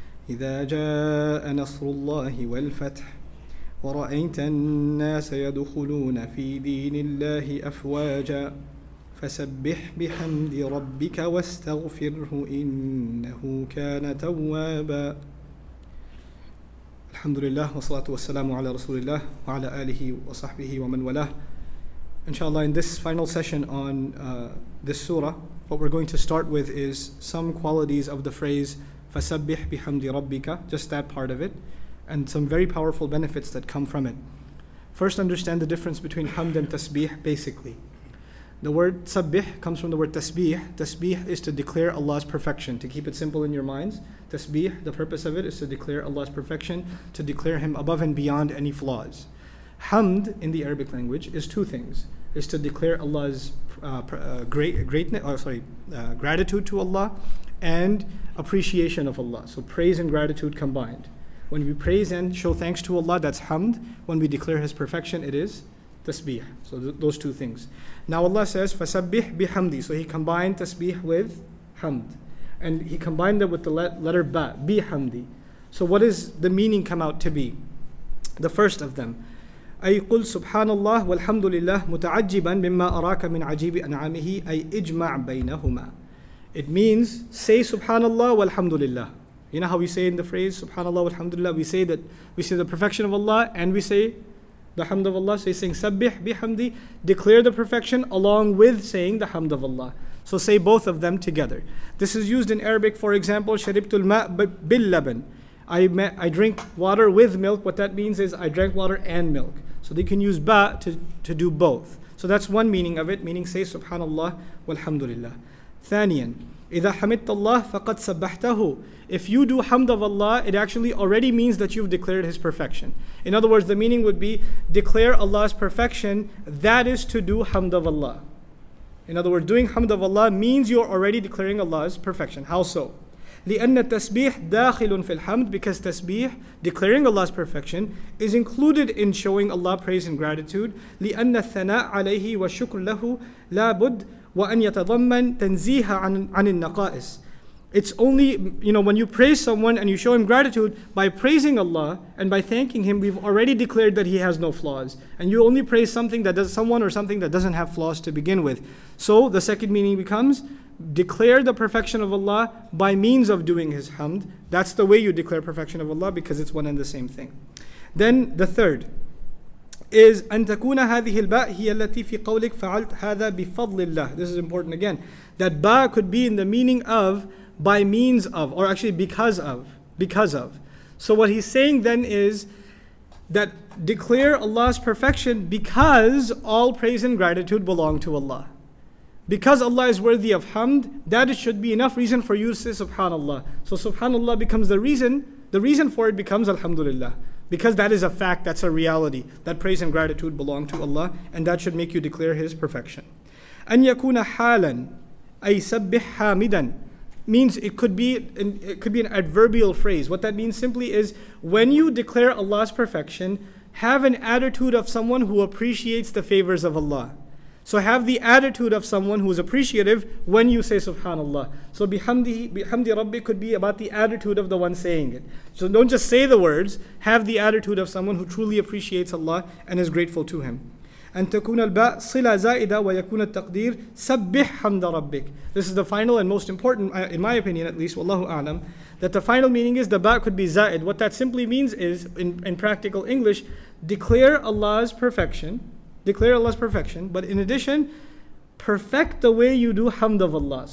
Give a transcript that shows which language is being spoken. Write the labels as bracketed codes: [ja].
[ar] إذا جاء نصر الله والفتح ورأيت الناس يدخلون في دين الله أفواجا فسبح بحمد ربك واستغفره إنه كان توابا. الحمد لله والصلاة والسلام على رسول الله وعلى آله وصحبه ومن والاه. [en] Inshallah, in this final session on this surah, what we're going to start with is some qualities of the phrase [ar] فَسَبِّحْ بِحَمْدِ رَبِّكَ, [en] just that part of it, and some very powerful benefits that come from it. First, understand the difference between hamd and tasbih, basically. The word sabbih comes from the word tasbih. Tasbih is to declare Allah's perfection. To keep it simple in your minds, tasbih, the purpose of it is to declare Allah's perfection, to declare Him above and beyond any flaws. Hamd, in the Arabic language, is two things. It's to declare Allah's gratitude to Allah and appreciation of Allah. So praise and gratitude combined. When we praise and show thanks to Allah, that's hamd. When we declare His perfection, it is tasbih. So those two things. Now Allah says, [ar] فَسَبِّحْ بِحَمْدِ. [en] So He combined tasbih with hamd. And He combined it with the letter ba, bihamdi. So what is the meaning come out to be? The first of them. [ar] أي قل سبحان الله والحمد لله متعجبا مما أراك من عجيب أنعامه أي إجمع بينهما. [en] It means say Subhanallah walhamdulillah. You know how we say in the phrase Subhanallah walhamdulillah, we say that we say the perfection of Allah and we say the hamd of Allah. So he's saying [ar] سبح بحمدي, [en] declare the perfection along with saying the hamd of Allah. So say both of them together. This is used in Arabic, for example, [ar] شربت الماء باللبن. [en] I drink water with milk. What that means is I drank water and milk. So they can use ba to do both. So that's one meaning of it, meaning say Subhanallah walhamdulillah. [ar] Thaniyan, إذا حمدت الله فقد سبحته. [en] If you do hamd of Allah, it actually already means that you've declared His perfection. In other words, the meaning would be declare Allah's perfection, that is to do hamd of Allah. In other words, doing hamd of Allah means you're already declaring Allah's perfection. How so? [ar] لأن التسبيح داخل في الحمد, [en] because تسبيح, declaring Allah's perfection, is included in showing Allah praise and gratitude. [ar] لأن الثناء عليه والشكر له لابد وأن يتضمن تنزيها عن النقائص. [en] It's only, you know, when you praise someone and you show him gratitude, by praising Allah and by thanking Him, we've already declared that He has no flaws. And you only praise something that does, someone or something that doesn't have flaws to begin with. So the second meaning becomes, declare the perfection of Allah by means of doing His hamd. That's the way you declare perfection of Allah, because it's one and the same thing. Then the third is [ar] أن تكون هذه الباء هي التي في قولك فعلت هذا بفضل الله. [en] This is important again. That ba could be in the meaning of by means of, or actually because of. Because of. So what he's saying then is that declare Allah's perfection because all praise and gratitude belong to Allah. Because Allah is worthy of hamd, that should be enough reason for you to say Subhanallah. So Subhanallah becomes the reason for it becomes Alhamdulillah. Because that is a fact, that's a reality, that praise and gratitude belong to Allah, and that should make you declare His perfection. [ar] أن يكون حالاً أي سبح حامداً [en] means it could be an adverbial phrase. What that means simply is, when you declare Allah's perfection, have an attitude of someone who appreciates the favors of Allah. So have the attitude of someone who is appreciative when you say Subhanallah. So bihamdi rabbi could be about the attitude of the one saying it. So don't just say the words, have the attitude of someone who truly appreciates Allah and is grateful to Him. [ar] And تكون الباء صلة زائدة ويكون التقدير سبح حمد ربك. [en] This is the final and most important, in my opinion at least, wallahu a'lam, that the final meaning is the ba could be za'id. What that simply means is, in practical English, declare Allah's perfection, but in addition, perfect the way you do hamd of Allah.